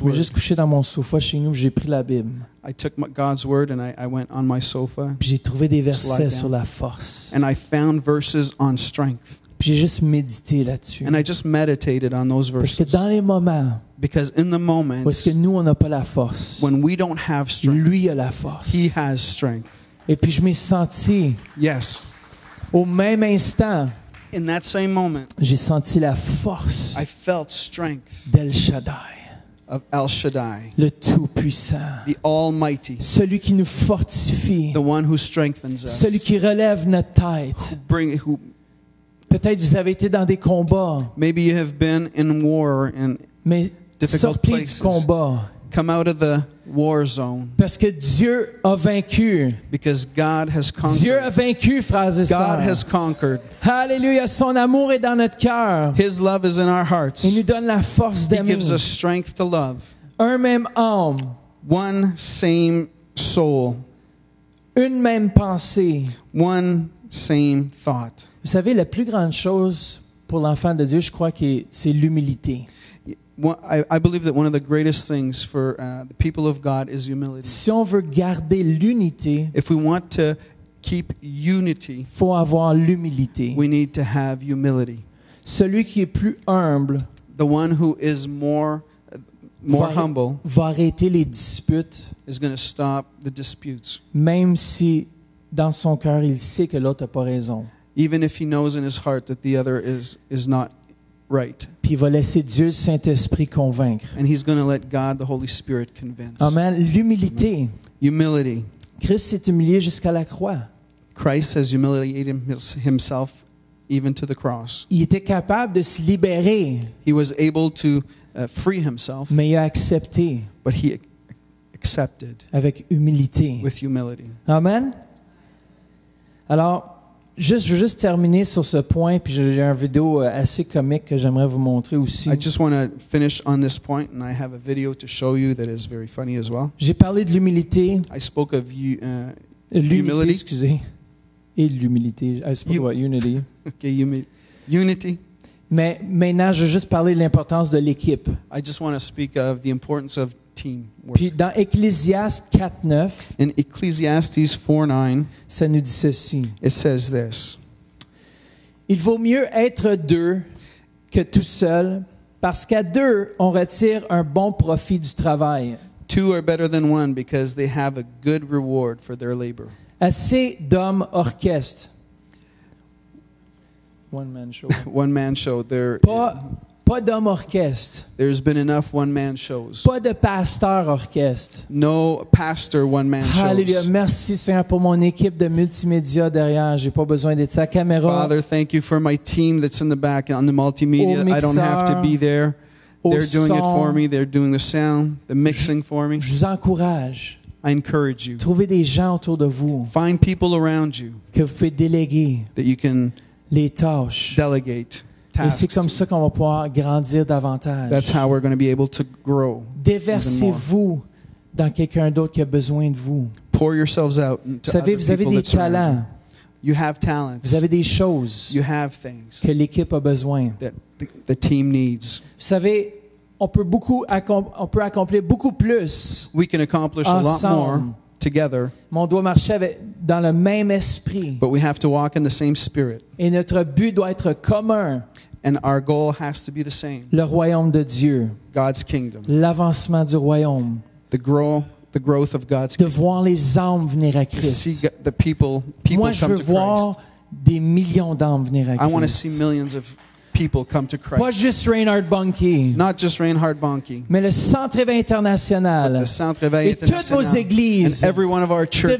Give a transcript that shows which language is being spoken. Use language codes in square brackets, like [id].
[fr] Je me suis juste couché dans mon sofa chez nous, j'ai pris la Bible. [en] I took God's word and I went on my sofa. [fr] Puis j'ai trouvé des versets sur la force. [en] And I found verses on strength. [fr] J'ai juste médité là-dessus. [en] And I just meditated on those verses. [fr] Parce que dans les moments, [en] in the moments, [fr] parce que nous on n'a pas la force, [en] when we don't have strength, [fr] lui a la force. [en] He has strength. [fr] Et puis je m'ai senti, [en] yes, [fr] au même instant, [en] in that same moment, [fr] j'ai senti la force, [en] I felt strength, [fr] d'El Shaddai, [en] of El Shaddai, [fr] le Tout-Puissant, [en] the Almighty, [fr] celui qui nous fortifie, [en] the one who strengthens us, [fr] celui qui relève notre tête, Peut-être vous avez été dans des combats. [en] Maybe you have been in war in [fr] Mais [en] difficult [fr] sortez [en] places. [fr] Du combat. [en] Come out of the war zone. [fr] Parce que Dieu a vaincu. [en] Because God has conquered. [fr] Dieu a vaincu, frères et sœurs. [en] God has conquered. [fr] Hallelujah, son amour est dans notre cœur. [en] His love is in our hearts. [fr] Il nous donne la force d'aimer. [en] He gives us strength to love. [fr] Un même âme. [en] One same soul. [fr] Une même pensée. [en] One same thought. [fr] Vous savez, la plus grande chose pour l'enfant de Dieu, je crois que c'est l'humilité. [en] I believe that one of the greatest things for the people of God is humility. [fr] Si on veut garder l'unité, [en] if we want to keep unity, [fr] faut avoir l'humilité. [en] We need to have humility. [fr] Celui qui est plus humble, [en] the one who is more humble, [fr] va arrêter les disputes, [en] is going to stop the disputes. [fr] Même si dans son cœur, il sait que l'autre n'a pas raison. [en] Even if he knows in his heart that the other is not right. [fr] Puis il va laisser Dieu Saint-Esprit convaincre. [en] And he's going to let God the Holy Spirit convince. [fr] Amen. L'humilité. [en] Humility. [fr] Christ s'est humilié jusqu'à la croix. [en] Christ has humiliated himself even to the cross. [fr] Il était capable de se libérer. [en] He was able to free himself. [fr] Mais il a accepté. [en] But he accepted. [fr] Avec humilité. [en] With humility. Amen. [fr] Alors juste, je veux juste terminer sur ce point, puis j'ai un vidéo assez comique que j'aimerais vous montrer aussi. [en] I just want to finish on this point, and I have a video to show you that is very funny as well. [fr] J'ai parlé de l'humilité. [en] I spoke of humility. [fr] Excusez. Et l'humilité. [en] I spoke about unity. Okay, unity. [fr] Mais maintenant, je veux juste parler de l'importance de l'équipe. [en] I just want to speak of the importance of teamwork. [fr] Puis dans Ecclésiaste 4:9, [en] in Ecclesiastes 4:9, [fr] ça nous dit ceci. [en] It says this. [fr] Il vaut mieux être deux que tout seul, parce qu'à deux, on retire un bon profit du travail. [en] Two are better than one because they have a good reward for their labor. [fr] Assez d'hommes orchestre. [en] One man show. One man show. They're [fr] pas d'homme orchestre. [en] There's been enough one man shows. [fr] Pas de pasteur orchestre. [en] No pastor one man shows. Hallelujah. [fr] Merci Seigneur pour mon équipe de multimédia derrière. J'ai pas besoin d'être sa caméra. [en] Father, thank you for my team that's in the back on the multimedia. [fr] Mixeur, [en] I don't have to be there. They're doing [fr] son. [en] It for me. They're doing the sound, the mixing for me. [fr] Je vous encourage. [en] I encourage you. [fr] Trouvez des gens autour de vous. [en] Find people around you. [fr] Que vous pouvez déléguer. [en] That you can [fr] les tâches. [en] Delegate. [fr] Et c'est comme ça qu'on va pouvoir grandir davantage. [en] That's how we're going to be able to grow. [fr] Déversez-vous dans quelqu'un d'autre qui a besoin de vous. [en] Pour yourselves out. [fr] Vous savez, vous avez des talents. [en] You have talents. [fr] Vous avez des choses [en] you have things [fr] que l'équipe a besoin. [en] That the team needs. [fr] Vous savez, on peut accomplir beaucoup plus [en] we can accomplish [fr] ensemble. [en] A lot more together. [fr] Mais on doit marcher avec, dans le même esprit. [en] But we have to walk in the same spirit. [fr] Et notre but doit être commun. [en] And our goal has to be the same. [fr] Le royaume de Dieu. [en] God's kingdom. [fr] L'avancement du royaume. [en] The growth of God's kingdom. [fr] De voir les âmes venir à Christ. [en] To see the people [fr] moi, [en] come [fr] je veux [en] to [fr] voir [en] Christ. [fr] Des millions d'âmes venir à Christ. [en] I want to see millions of people come to Christ. [fr] Pas juste Reinhard Bonnke. [en] Not just Reinhard Bonnke. [fr] Mais le Centre Réveil International. [en] But the Centre Réveil [fr] et toutes vos églises. [en] And every one of our churches.